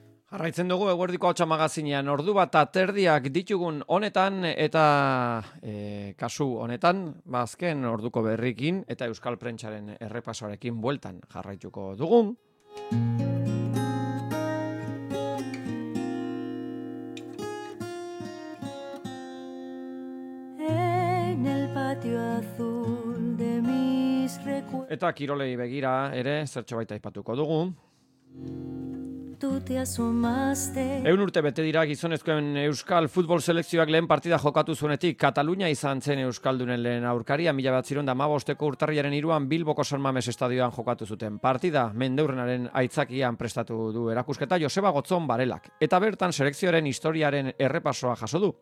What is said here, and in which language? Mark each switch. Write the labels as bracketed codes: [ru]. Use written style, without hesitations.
[eu] Jarraitzen dugu eguerdiko hotsa magazinean ordu bat aterdiak ditugun honetan eta kasu honetan bazken orduko berrikin eta Euskal Prentsaren errepasoarekin bueltan jarraituko dugu. [es] En el patio azul de mis recuerdos. [eu] Eta kirolei begira ere zertxobait aipatuko dugu. Eun urte bete dira gizonezkoen Euskal Futbol Selekzioak lehen partida jokatu zuenetik Katalunia izan zen Euskaldunen lehen aurkaria 1915ko urtarriaren 3an Bilboko San Mames estadioan jokatu zuten partida Mendeurrenaren aitzakian prestatu du erakusketa Joseba Gotzon Barelak eta bertan selekzioaren historiaren errepasoa jaso du.